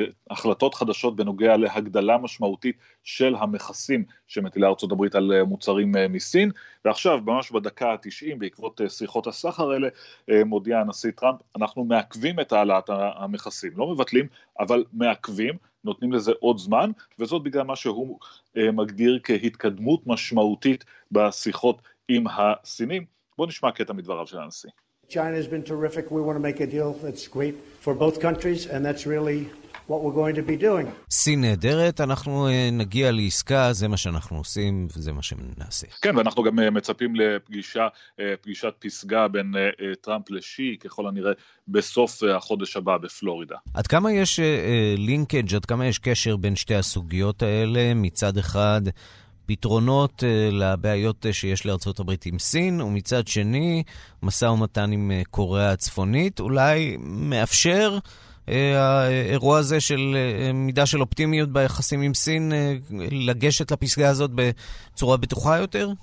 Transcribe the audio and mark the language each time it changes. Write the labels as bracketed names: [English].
[Hebrew] החלטות חדשות בנוגע להגדלה משמעותית של המכסים שמטילה ארצות הברית על מוצרים מסין, ועכשיו ממש בדקה ה-90 בעקבות שיחות הסחר האלה מודיע הנשיא טראמפ, אנחנו מעכבים את העלאת המכסים, לא מבטלים, אבל מעכבים, נותנים לזה עוד זמן, וזאת בגלל מה שהוא מגדיר כהתקדמות משמעותית בשיחות עם הסינים. בוא נשמע קטע מדבריו של הנשיא. [English] China has been terrific. We want to make a deal that's great for both countries, and that's really what we're going to be doing. [Hebrew] סין נהדרת, אנחנו נגיע לעסקה, זה מה שאנחנו עושים, וזה מה שנעשה. כן, ואנחנו גם מצפים לפגישה, פגישת פסגה בין טראמפ לשי, ככל הנראה, בסוף החודש הבא בפלורידה. עד כמה יש לינקג', עד כמה יש קשר בין שתי הסוגיות האלה, מצד אחד פתרונות לבעיות שיש לארצות הברית עם סין, ומצד שני, מסע ומתן עם קוריאה הצפונית, אולי מאפשר האירוע הזה של מידה של אופטימיות ביחסים עם סין לגשת לפסגה הזאת בצורה בטוחה יותר?